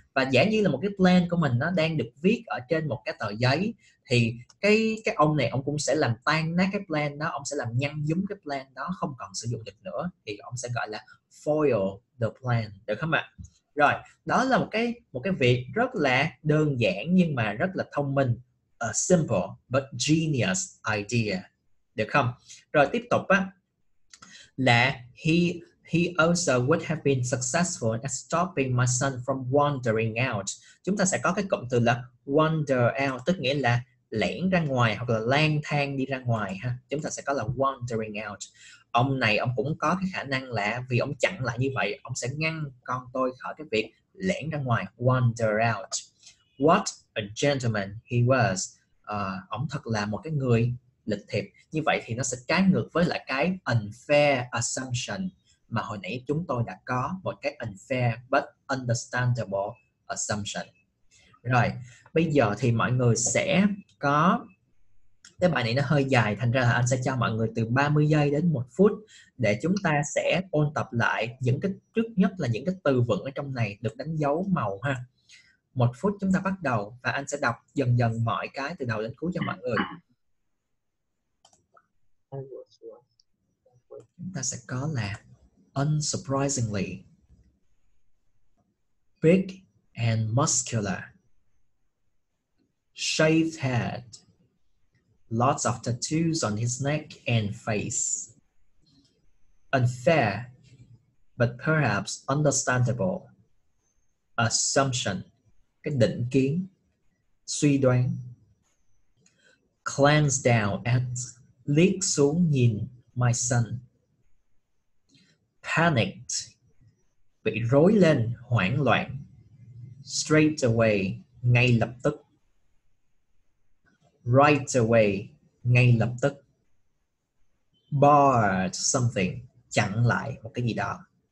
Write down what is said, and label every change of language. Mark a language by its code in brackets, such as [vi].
[vi] Và giả như là một cái plan của mình nó đang được viết ở trên một cái tờ giấy, thì cái ông này ông cũng sẽ làm tan nát cái plan đó, ông sẽ làm nhăn nhúm cái plan đó, không còn sử dụng được nữa, thì ông sẽ gọi là foil the plan, được không ạ? Rồi, đó là một cái việc rất là đơn giản nhưng mà rất là thông minh. [en] A simple but genius idea. [vi] Được không? Rồi tiếp tục á, là [en] he also would have been successful at stopping my son from wandering out. [vi] Chúng ta sẽ có cái cụm từ là wander out, tức nghĩa là lẻn ra ngoài hoặc là lang thang đi ra ngoài ha. Chúng ta sẽ có là wandering out. Ông này ông cũng có cái khả năng là vì ông chặn lại như vậy, ông sẽ ngăn con tôi khỏi cái việc lẻn ra ngoài, wander out. [en] What a gentleman he was. [vi] Ông thật là một cái người lịch thiệp. Như vậy thì nó sẽ trái ngược với lại cái unfair assumption mà hồi nãy chúng tôi đã có, một cái [en] unfair but understandable assumption. [vi] Rồi, bây giờ thì mọi người sẽ có, cái bài này nó hơi dài, thành ra là anh sẽ cho mọi người từ 30 giây đến 1 phút để chúng ta sẽ ôn tập lại những cái, trước nhất là những cái từ vựng ở trong này được đánh dấu màu ha. Một phút chúng ta bắt đầu và anh sẽ đọc dần dần mọi cái từ đầu đến cuối cho mọi người. Chúng ta sẽ có là [en] unsurprisingly, big and muscular, shaved head, lots of tattoos on his neck and face, unfair but perhaps understandable assumption, [vi] cái định kiến, suy đoán. [en] Glance down at, [vi] liếc xuống nhìn [en] my son. [vi] Panicked, bị rối lên, hoảng loạn. Straight away, ngay lập tức. [en] Right away, [vi] ngay lập tức. [en] Barred something, [vi] chặn lại một cái gì đó.